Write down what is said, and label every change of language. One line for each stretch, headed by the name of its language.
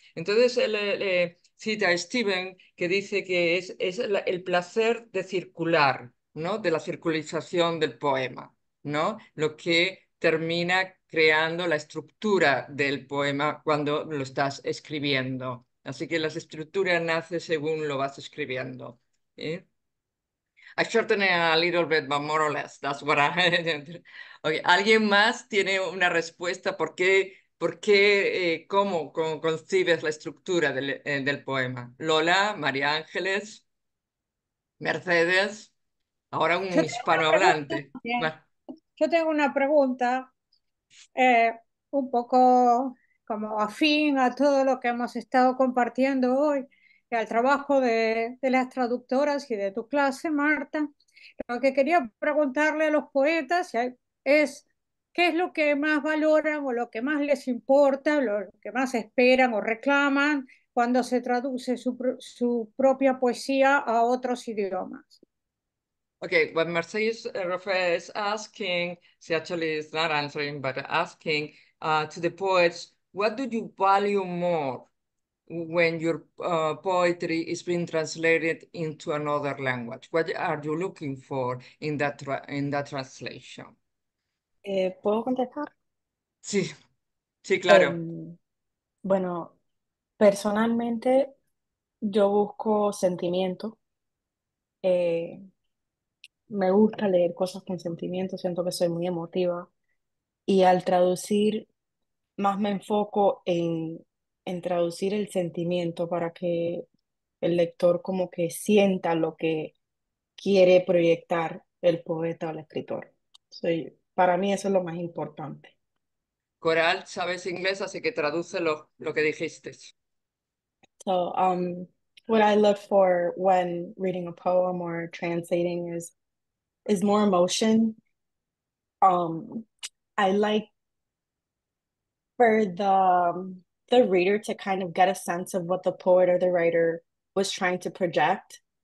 Spanish: Entonces él cita a Steven, que dice que es el placer de circular, ¿no? De la circulización del poema, ¿no? Lo que termina creando la estructura del poema cuando lo estás escribiendo. Así que la estructura nace según lo vas escribiendo.
English: I shorten it a little bit, but more or less, that's what I... Okay.
Spanish: ¿Alguien más tiene una respuesta cómo concibes la estructura del poema? Lola, María Ángeles, Mercedes, ahora un hispanohablante. Yo tengo una pregunta, un poco como afín a todo lo que hemos estado compartiendo hoy, al trabajo de las traductoras y de tu clase, Marta. Lo que quería preguntarle a los poetas es qué es lo que más valoran o lo que más les importa, lo que más esperan o reclaman cuando se traduce su propia poesía a otros idiomas.
English: Okay, what Mercedes Rofe is asking, she actually is not answering, but asking to the poets, what do you value more when your poetry is being translated into another language? What are you looking for in that translation?
Spanish: ¿Puedo contestar? Sí, sí, claro. Bueno, personalmente yo busco sentimiento. Me gusta leer cosas con sentimiento, siento que soy muy emotiva. Y al traducir, más me enfoco en traducir el sentimiento para que el lector como que sienta lo que quiere proyectar el poeta o el escritor.
English: So,
Spanish: para mí eso es lo más importante. Coral, sabes inglés, así que traduce lo que dijiste.
English: So, what I look for when reading a poem or translating is more emotion. I like for the reader to kind of get a sense of what the poet or the writer was trying to project.